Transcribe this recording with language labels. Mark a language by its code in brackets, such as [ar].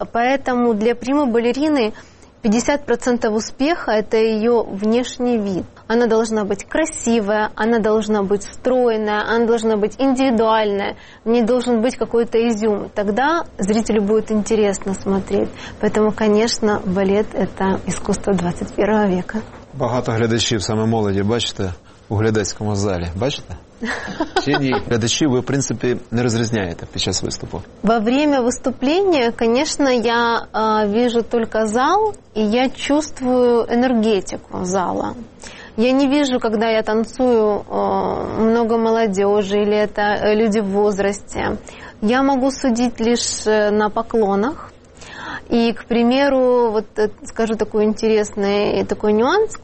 [ru] Поэтому для прима-балерины 50% успеха – это ее внешний вид. Она должна быть красивая, она должна быть стройная, она должна быть индивидуальная, в ней должен быть какой-то изюм. Тогда зрителю будет интересно смотреть. Поэтому, конечно, балет – это искусство 21 века. [uk] Багато глядачів, саме молоді, бачите, у глядацькому залі. Бачите? Чи ні? Глядачів ви, в принципі, не розрізняєте під час виступу. [ru] Во время выступления, конечно, я вижу только зал, и я чувствую энергетику зала. Я не вижу, когда я танцую, много молодежи или это люди в возрасте. Я могу судить лишь на поклонах. И, к примеру, вот скажу такой интересный такой нюанс.